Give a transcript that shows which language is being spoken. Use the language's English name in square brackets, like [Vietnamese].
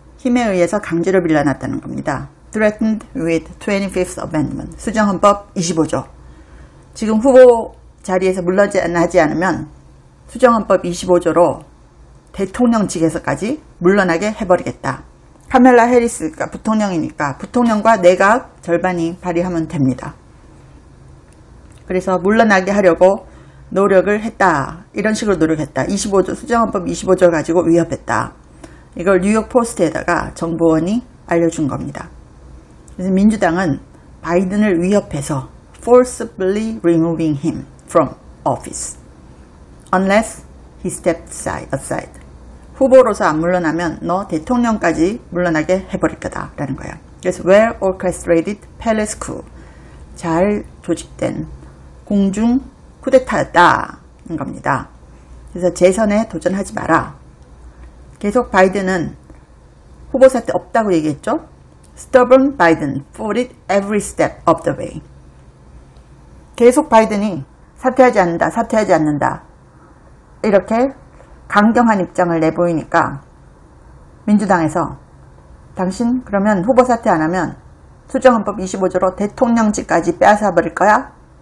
[Korean] 힘에 의해서 강제로 밀려났다는 겁니다. [English] Threatened with 25th Amendment. [Korean] 수정헌법 25조. 지금 후보 자리에서 물러나지 않으면 수정헌법 25조로 대통령직에서까지 물러나게 해버리겠다. 카멜라 해리스가 부통령이니까 부통령과 내각 절반이 발의하면 됩니다. 그래서 물러나게 하려고 노력을 했다. 이런 식으로 노력했다. 25조, 수정헌법 25조 가지고 위협했다. 이걸 뉴욕포스트에다가 정보원이 알려준 겁니다. 그래서 민주당은 바이든을 위협해서 [English] forcibly removing him from office unless he stepped aside. [Korean] 후보로서 안 물러나면 너 대통령까지 물러나게 해버릴 거다 라는 거예요. 그래서 [English] well orchestrated palace coup, [Korean] 잘 조직된 공중 쿠데타였다는 겁니다. 그래서 재선에 도전하지 마라. 계속 바이든은 후보 사태 없다고 얘기했죠. [English] Stubborn Biden fought it every step of the way. [Korean] 계속 바이든이 사퇴하지 않는다, 사퇴하지 않는다 이렇게 강경한 입장을 내보이니까 민주당에서 당신 그러면 후보 사퇴 안 하면 수정헌법 25조로 대통령직까지 빼앗아버릴 거야?